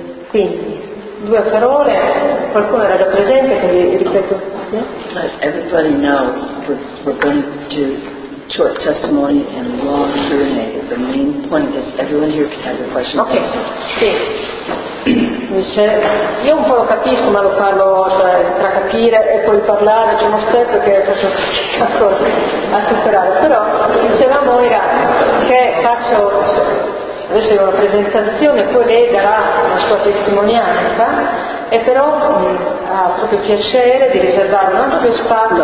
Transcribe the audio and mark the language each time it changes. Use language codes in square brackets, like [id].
[it] Quindi due parole, qualcuno era già presente, quindi ripeto. Sì? [en] Everybody knows we're going to short testimony and long Q&A. The main point is everyone here can have a question. [it] Ok, sì. Dice, io un po' lo capisco, ma lo parlo tra capire e poi parlare, c'è uno step che faccio a superare. Però dicevamo ai ragazzi che faccio adesso una presentazione, poi lei darà la sua testimonianza, e però ha proprio piacere di riservare un altro spazio.